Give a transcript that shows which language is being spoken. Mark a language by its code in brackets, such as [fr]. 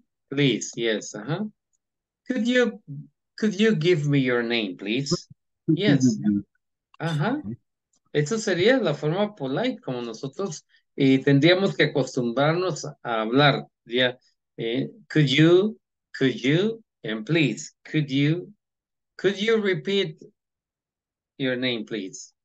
[en] Please, yes, Could you give me your name, please? Yes. [es] Eso sería la forma polite como nosotros tendríamos que acostumbrarnos a hablar. [en] Ya, could you, and please, could you repeat your name, please?